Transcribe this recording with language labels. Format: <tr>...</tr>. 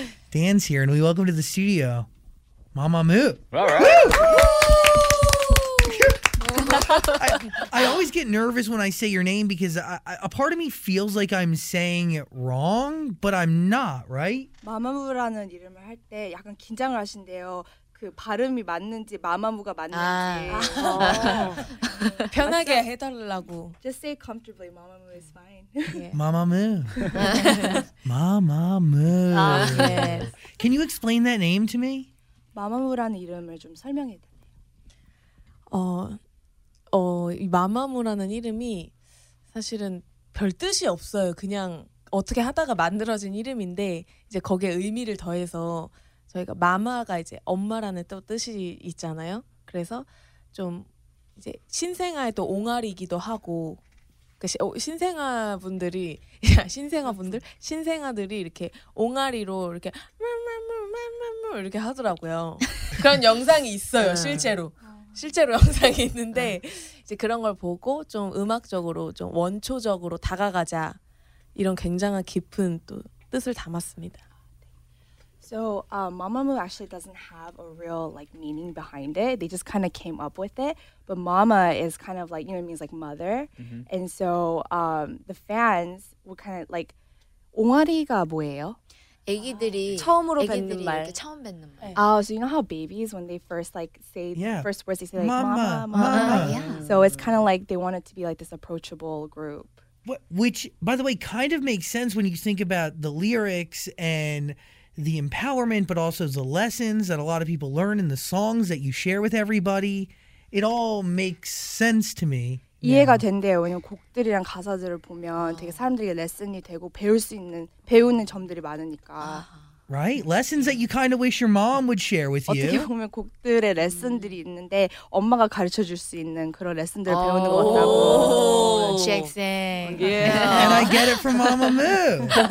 <en>Dan's here, and we welcome to the studio, Mamamoo. All right. I always get nervous when I say your name because a part of me feels like I'm saying it wrong, but I'm not, right?</en> <ko>Mamamoo라는 이름을 할 때 약간 긴장을 하신대요. 그 발음이 맞는지 마마무가 맞는지 편하게 해달라고.</ko> <en>Just say comfortably, Mamamoo is fine. Mamamoo. Mamamoo. Can you explain that name to me?</en> <ko>Mamamoo라는 이름을 좀 설명해 드릴게요. 이 마마무라는 이름이 사실은 별 뜻이 없어요. 그냥 어떻게 하다가 만들어진 이름인데 이제 거기에 의미를 더해서 저희가 마마가 이제 엄마라는 또 뜻이 있잖아요. 그래서 좀 이제 신생아의 또 옹알이기도 하고 신생아분들이 신생아분들 신생아들이 이렇게 옹알이로 이렇게 마마무 이렇게 하더라고요. 그런 영상이 있어요. 실제로 영상이 있는데 이제 그런 걸 보고 좀 음악적으로 좀 원초적으로 다가가자 이런 굉장한 깊은 또 뜻을 담았습니다.</ko> <en>So Mamamoo actually doesn't have a real like meaning behind it. They just kind of came up with it. But Mama is kind of like, you know, it means like mother. Mm-hmm. And so the fans were kind of like,</en> <ko>옹알이가 뭐예요? 애기들이 처음으로 뱉는 말. 처음 뱉는 말.</ko> <en>Oh, so you know how babies, when they first like say the first words, they say like mama. Yeah. So it's kind of like they wanted to be like this approachable group. Which, by the way, kind of makes sense when you think about the lyrics and the empowerment, but also the lessons that a lot of people learn in the songs that you share with everybody. It all makes sense to me.</en> <ko>이해가 된대요. 왜냐면 곡들이랑 가사들을 보면 되게 사람들에게 레슨이 되고 배울 수 있는 배우는 점들이 많으니까.</ko> <en>Right? Lessons that you kind of wish your mom would share with you.</en> <ko>어떻게 보면 곡들의 레슨들이 있는데 엄마가 가르쳐 줄 수 있는 그런 레슨들을 배우는 것 같다고.</ko> <en>Jackson. Yeah. And I get it from Mamamoo.</en>